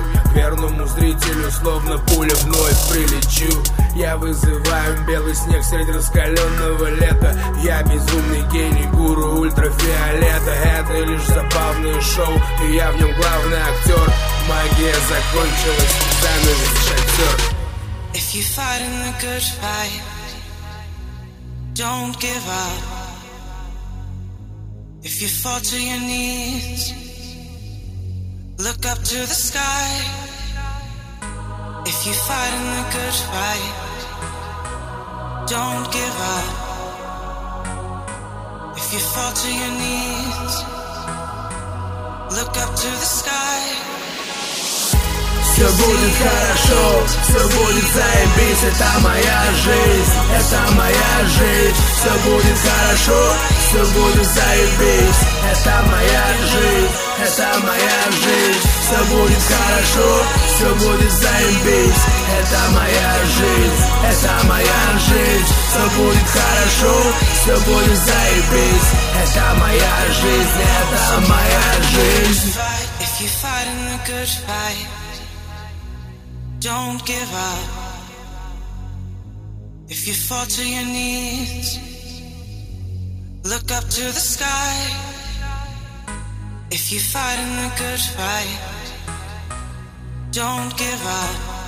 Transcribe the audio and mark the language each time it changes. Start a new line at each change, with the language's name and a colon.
Russian: Я к верному зрителю, словно пуля, вновь прилечу. Я вызываю белый снег среди раскаленного лета. Я безумный гений, гуру ультрафиолета. Это лишь забавное шоу, и я в нем главный актер. Магия закончилась, занавес шатер.
English: If you fight in the good fight, don't give up. If you fall to your knees, look up to the sky. If you fight in the good fight, don't give up. If you fall to your knees, look up to the sky.
Russian: Все будет хорошо, все будет заебись, это моя жизнь, это моя жизнь. Все будет хорошо, все будет заебись, это моя жизнь, это моя жизнь. Все будет хорошо, все будет заебись, это моя жизнь, это моя жизнь. Все будет хорошо, все будет заебись, это моя жизнь, это моя жизнь.
English: Don't give up. If you fall to your knees, look up to the sky. If you fight in the good fight, don't give up.